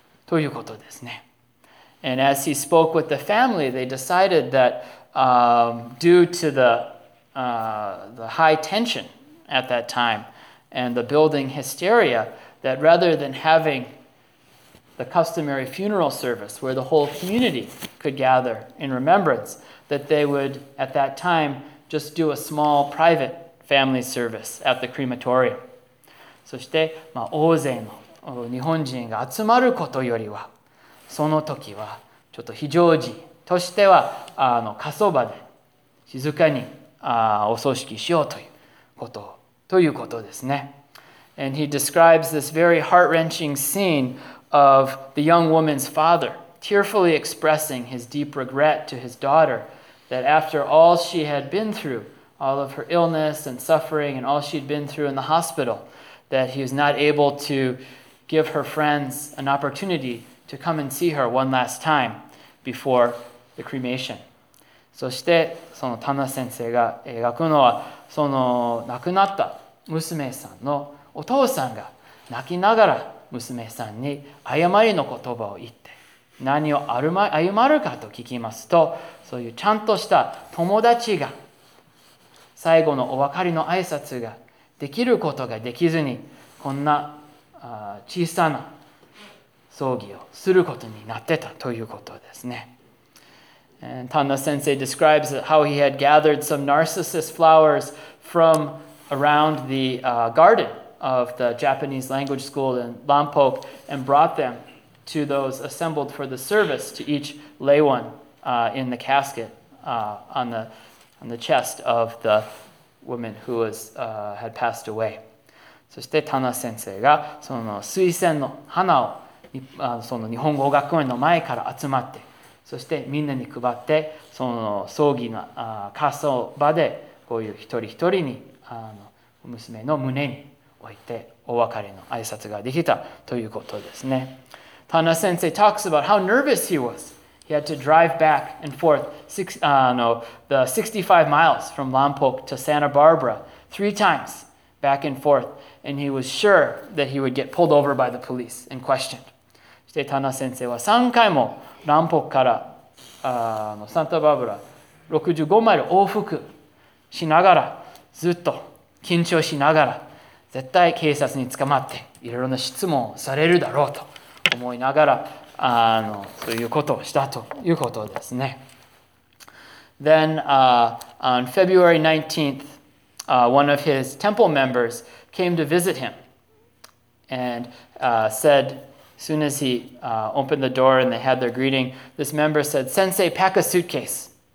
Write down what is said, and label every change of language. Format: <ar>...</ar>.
<en>And as he spoke with the family, they decided that due to the high tension at that time and the building hysteria, that rather than having the customary funeral service where the whole community could gather in remembrance, that they would at that time just do a small private family service at the crematorium.</en> <ja>そして、大勢の日本人が集まることよりは、その時はちょっと非常時としては火葬場で静かにお葬式しようということですね。</ja> <en>And he describes this very heart-wrenching scene of the young woman's father tearfully expressing his deep regret to his daughter that after all she had been through, all of her illness and suffering and all she'd been through in the hospital, that he was not able to give her friends an opportunity to come and see her one last time before the cremation.</en> <ja>そしてそのタナ先生が描くのはその亡くなった娘さんのお父さんが泣きながら娘さんに謝りの言葉を言って何を歩まるかと聞きますとそういうちゃんとした友達が最後のお別れの挨拶ができることができずにこんな小さな葬儀をすることになってたということですね。</ja> <en>And Tanda Sensei describes how he had gathered some narcissus flowers from around the garden of the Japanese language school in Lampok and brought them to those assembled for the service to each lay one in the casket on the chest of the woman who had passed away.</en> <ja>そして、タナ先生が、その水仙の花を、その日本語学園の前から集まって、そしてみんなに配って、その葬儀の火葬場で、こういう一人一人に、娘の胸に置いて、お別れの挨拶ができたということですね。</ja> <en>タナ先生 talks about how nervous he was. He had to drive back and forth the 65 miles from Lampok to Santa Barbara three times back and forth. And he was sure that he would get pulled over by the police and questioned.</en> <ja>そして、タナ先生は3回も南北からサンタバーブラ65マイル往復しながらずっと緊張しながら絶対警察に捕まっていろいろな質問をされるだろうと思いながらそういうことをしたということですね。</ja> <en>Then, on February 19th, one of his temple members came to visit him and said, as soon as he opened the door and they had their greeting, this member said, Sensei, pack a suitcase.</en>